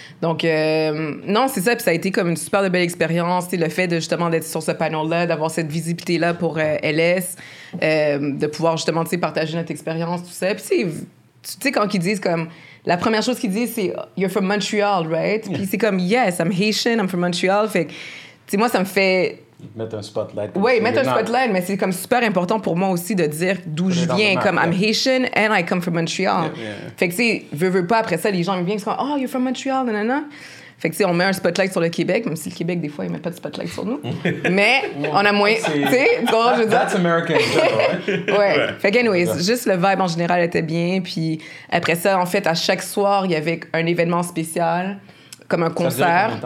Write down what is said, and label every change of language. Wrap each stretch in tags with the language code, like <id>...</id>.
<fr>Donc, non, c'est ça, puis ça a été comme une super belle expérience, le fait de, justement, d'être sur ce panel-là, d'avoir cette visibilité-là pour LS, de pouvoir, justement, partager notre expérience, tout ça. Puis c'est... Tu sais, quand ils disent comme... La première chose qu'ils disent, c'est «</fr> <en>You're from Montreal, right?</en> <fr>» Puis c'est comme «</fr> <en>Yes, I'm Haitian, I'm from Montreal.</en> <fr>» Fait que, tu sais, moi, ça me fait... Mettre un spotlight. Oui, mettre un spotlight, mais c'est comme super important pour moi aussi de dire d'où je viens.</fr> <en>Comme « I'm Haitian and I come from Montreal. »</en> <fr>Fait que, tu sais, veux pas, après ça, les gens me viennent, ils sont comme «</fr> <en>Oh, you're from Montreal, nanana.</en> <fr>» Fait que, tu sais, on met un spotlight sur le Québec, même si le Québec, des fois, il met pas de spotlight sur nous. Mais on a moins... Tu sais, comment je veux dire?</fr> <en>That's American.</en> <fr>Ouais. Fait que, anyways, juste le vibe, en général, était bien. Puis après ça, en fait, à chaque soir, il y avait un événement spécial, comme un concert.</fr>